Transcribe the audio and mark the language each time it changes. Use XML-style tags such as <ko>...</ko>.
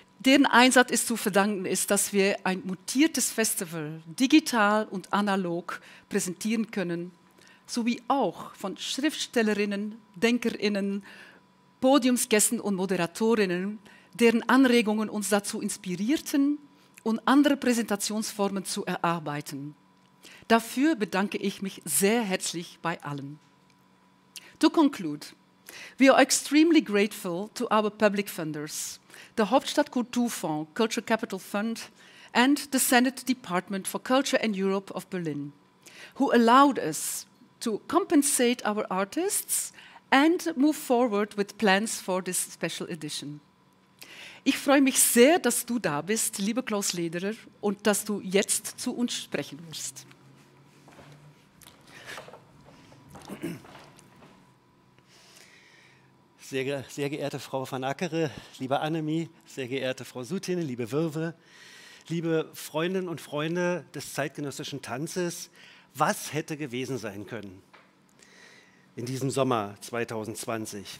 <de>deren Einsatz ist zu verdanken, ist, dass wir ein mutiertes Festival digital und analog präsentieren können, sowie auch von Schriftstellerinnen, DenkerInnen, Podiumsgästen und ModeratorInnen, deren Anregungen uns dazu inspirierten, und andere Präsentationsformen zu erarbeiten. Dafür bedanke ich mich sehr herzlich bei allen.</de> <en>To conclude, we are extremely grateful to our public funders, the Hauptstadt Kulturfonds, Culture Capital Fund, and the Senate Department for Culture and Europe of Berlin, who allowed us to compensate our artists and move forward with plans for this special edition.</en> <de>Ich freue mich sehr, dass du da bist, liebe Klaus Lederer, und dass du jetzt zu uns sprechen wirst. Sehr geehrte Frau van Ackere, liebe Annemie, sehr geehrte Frau Sutine, liebe Wirwe, liebe Freundinnen und Freunde des zeitgenössischen Tanzes, was hätte gewesen sein können in diesem Sommer 2020?</de>